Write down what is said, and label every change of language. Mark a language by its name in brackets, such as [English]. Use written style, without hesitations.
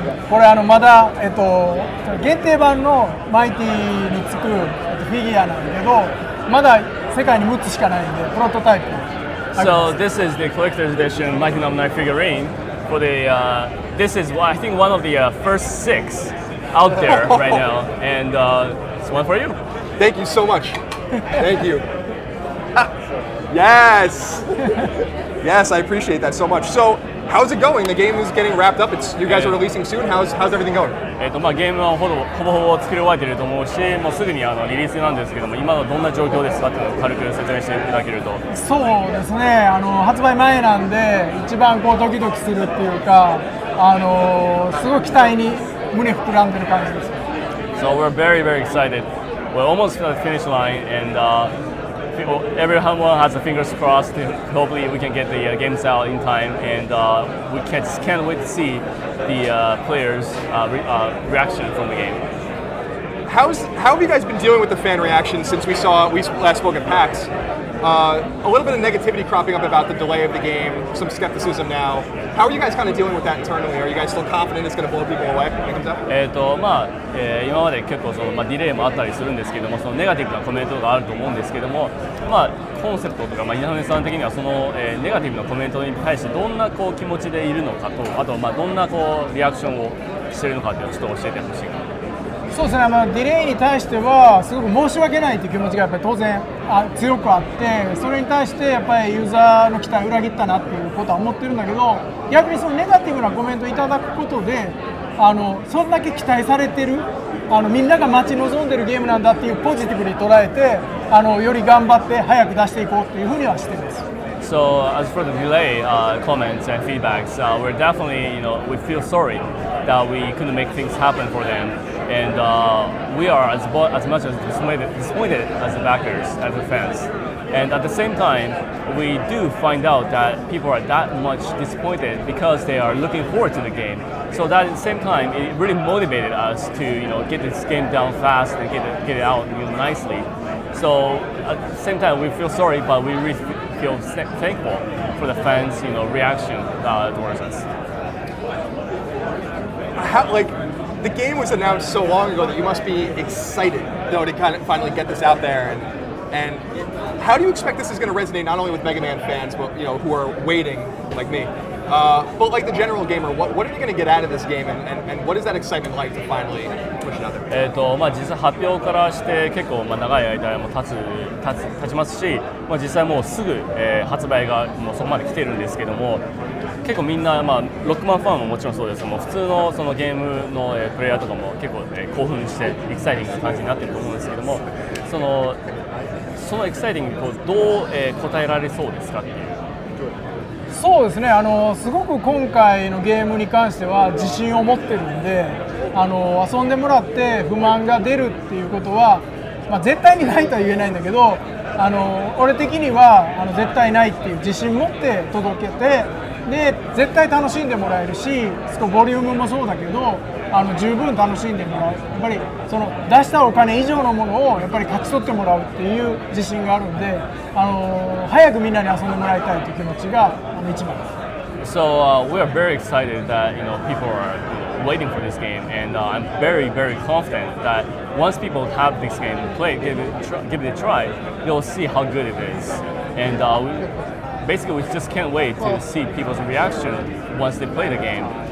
[Japanese] これあのまだ限定版のマイティにつくフィギュアなんだけどまだ世界に6つしかないんでプロトタイプ。 [English] So this is the collector's edition Mighty No. 9 figurine for the this is I think one of the first six out there right now and it's one for you. Thank you so much. Thank you. Yes. Yes, I appreciate that so much. So. How's it going? The game is getting wrapped up. You guys are releasing soon. How's everything going? [Japanese] Game はほぼ作り終わってると思うし、もうすぐにリリースなんですけども、今のどんな状況ですかっていうのを軽く説明していただけると。そうですね。発売前なんで、一番こうドキドキするっていうか、すごい期待に胸膨らんでる感じです。 [English] So we're very, very excited. We're almost at the finish line and, everyone has the fingers crossed. Hopefully, we can get the games out in time, and we can't wait to see the players' reaction from the game. How have you guys been dealing with the fan reaction since we last spoke at PAX? A little bit of negativity cropping up about the delay of the game, some skepticism now. How are you guys kind of dealing with that internally? Are you guys still confident it's going to blow people away when it comes out? [Japanese] 今まで結構その、ディレイもあったりするんですけども、そのネガティブなコメントがあると思うんですけども、コンセプトとか、稲船さん的にはその、ネガティブなコメントに対してどんなこう気持ちでいるのかと、あと、どんなこうリアクションをしているのかというのをちょっと教えてほしいかな。そうですね、ディレイに対してはすごく申し訳ないという気持ちがやっぱり当然強くあってそれに対してやっぱりユーザーの期待を裏切ったなということは思ってるんだけど逆にそのネガティブなコメントをいただくことでそんだけ期待されてるみんなが待ち望んでるゲームなんだっていうポジティブに捉えてより頑張って早く出していこうというふうにはしてます。 [English] So as for the delay comments and feedbacks, we're definitely, we feel sorry that we couldn't make things happen for them. And we are as much as disappointed as the backers, as the fans. And at the same time, we do find out that people are that much disappointed because they are looking forward to the game. So that at the same time, it really motivated us to get this game down fast and get it out nicely. So at the same time, we feel sorry, but we really feel thankful for the fans' reaction towards us. The game was announced so long ago that you must be excited, to kind of finally get this out there. And how do you expect this is going to resonate not only with Mega Man fans, but who are waiting like me, but like the general gamer? What are you going to get out of this game, and what is that excitement like to finally push it out there? [Japanese] 実際発表からして結構長い間も経ちますし、実際もうすぐ発売がもうそこまで来ているんですけども。結構みんな、ロックマンファンももちろんそうですけども普通 の, そのゲームの、プレイヤーとかも結構、興奮してエキサイティングな感じになっていると思うんですけどもそのエキサイティングにこうどう、答えられそうですかっていうそうですねすごく今回のゲームに関しては自信を持ってるんで遊んでもらって不満が出るっていうことは、絶対にないとは言えないんだけど俺的には絶対ないっていう自信持って届けてで絶対楽しんでもらえるしボリュームもそうだけど十分楽しんでもらうやっぱりその出したお金以上のものをやっぱり勝ち取ってもらうっていう自信があるんで早くみんなに遊んでもらいたいという気持ちが一番です [English] So we are very excited that people are waiting for this game and I'm very very confident that once people have this game play give it a try you'll see how good it is and Basically, we just can't wait to see people's reaction once they play the game.